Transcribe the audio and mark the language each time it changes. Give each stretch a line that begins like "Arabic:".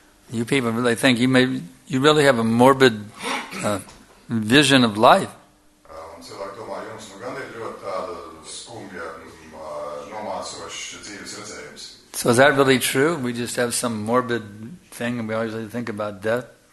English: You people really think you really have a morbid vision of life.
Latvian: Cilvēki domā, jums nu gan ir ļoti tāda skumja,
English: So is that really true? We just have some morbid thing and we always think about death?